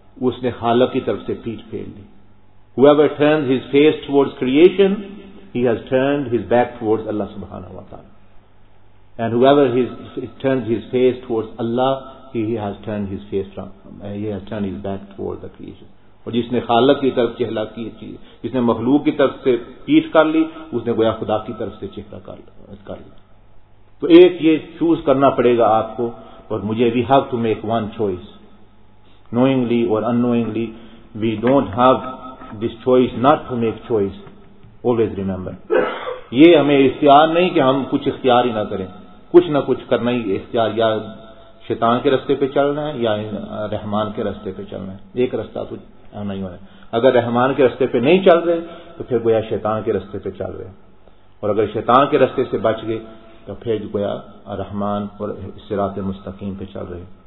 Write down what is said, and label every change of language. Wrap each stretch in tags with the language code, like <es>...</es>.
<ur>اس نے خالق کی طرف سے پیٹھ پھیر لی,</ur> <en>whoever turns his face towards creation he has turned his back towards Allah subhanahu wa ta'ala, and whoever turns his face towards Allah he has turned his back towards the creation.</en> <ur>اور جس نے خالق کی طرف چہرہ کیا, جس نے مخلوق کی طرف سے پیٹھ کر لی, اس نے گویا خدا کی طرف سے چہرہ کر لیا. تو ایک یہ چوز کرنا پڑے گا آپ کو اور مجھے,</ur> <en>We have to make one choice, knowingly or unknowingly, we don't have this choice not to make choice. Always remember.</en> <ur>یہ ہمیں اختیار نہیں کہ ہم کچھ اختیار ہی نہ کریں, کچھ نہ کچھ کرنا ہی اختیار, یا شیطان کے رستے پہ چلنا ہے یا رحمان کے رستے پہ چلنا ہے, ایک رستہ تو نہیں ہونا ہے. اگر رحمان کے رستے پہ نہیں چل رہے تو پھر گویا شیطان کے رستے پہ چل رہے, اور اگر شیطان کے رستے سے بچ گئے تو پھر گویا رحمان اور صراط مستقیم پہ چل رہے.</ur>